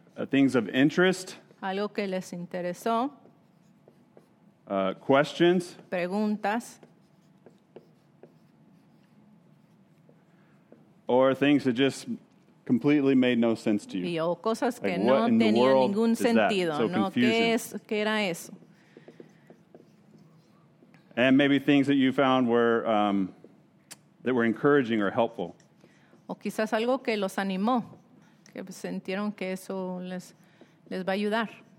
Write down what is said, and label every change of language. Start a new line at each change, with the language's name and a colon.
English: Things of interest.
Spanish: Algo que les interesó.
English: Questions.
Spanish: Preguntas.
English: Or things that just completely made no sense to you.
Spanish: Y o cosas que no tenían ningún sentido,
English: so
Spanish: ¿no? ¿Qué era eso?
English: And maybe things that you found were that were encouraging or helpful.
Spanish: O quizás algo que los animó, que sintieron que eso les va a ayudar.